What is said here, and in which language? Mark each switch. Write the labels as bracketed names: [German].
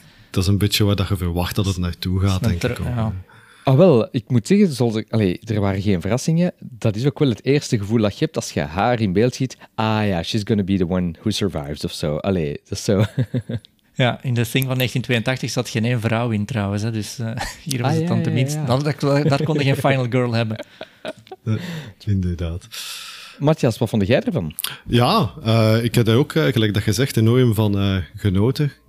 [Dutch] Dat is een beetje waar je verwacht dat het naartoe gaat, denk ik. Ik moet zeggen, er waren geen verrassingen. Dat is ook wel het eerste gevoel dat je hebt als je haar in beeld ziet. [English] Ah ja, she's gonna be the one who survives [Dutch] of zo. Allee, dat is zo. Ja, in The Thing van 1982 zat geen één vrouw in, trouwens. Hè. Dus hier was het dan tenminste. Daar kon je geen final girl hebben. Inderdaad. Matthias, wat vond jij ervan? Ja, ik heb daar ook, gelijk dat gezegd, enorm van genoten.